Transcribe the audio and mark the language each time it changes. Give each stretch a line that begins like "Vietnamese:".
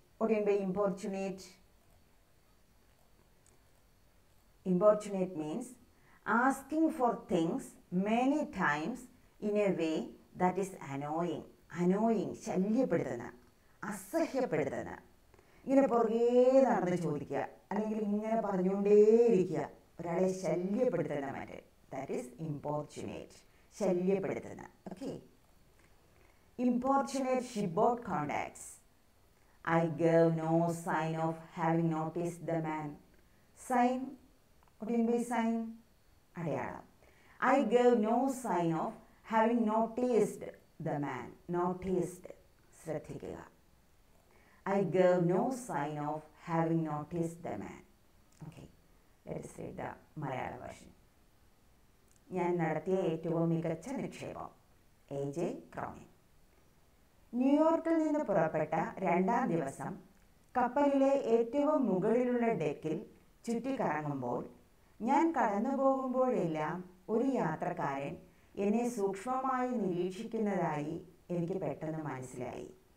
English: What do you mean by importunate? Importunate means asking for things many times in a way that is annoying. Annoying.
Malayalam: ശല്യപ്പെടുത്തുന്ന, അസഹ്യപ്പെടുത്തുന്ന. ഇങ്ങനെ പുറകെ നടന്ന് ചോദിക്കുക, അല്ലെങ്കിൽ ഇങ്ങനെ പറഞ്ഞുകൊണ്ടേയിരിക്കുക, ഒരാളെ ശല്യപ്പെടുത്തുന്ന മറ്റേ.
English: That is importunate.
Malayalam: ശല്യപ്പെടുത്തുന്ന.
English: Okay. Importunate shipboard contacts. I gave no sign of having noticed the man. Sign. What do you mean by sign?
Malayalam: Adiyala.
English: I gave no sign of having noticed the man. Noticed.
Malayalam: Srathikila.
English: I gave no sign of having noticed the man. Okay. Let us read the Malayala version.
Malayalam: ഞാൻ നടത്തിയ ഏറ്റവും മികച്ച നിക്ഷേപം A J crony. ന്യൂയോർക്കിൽ നിന്ന് പുറപ്പെട്ട രണ്ടാം ദിവസം കപ്പലിലെ ഏറ്റവും മുകളിലുള്ള ഡെക്കിൽ ചുറ്റിക്കറങ്ങുമ്പോൾ ഞാൻ കടന്നു പോകുമ്പോഴെല്ലാം ഒരു യാത്രക്കാരൻ എന്നെ സൂക്ഷ്മമായി നിരീക്ഷിക്കുന്നതായി എനിക്ക് പെട്ടെന്ന് മനസ്സിലായി.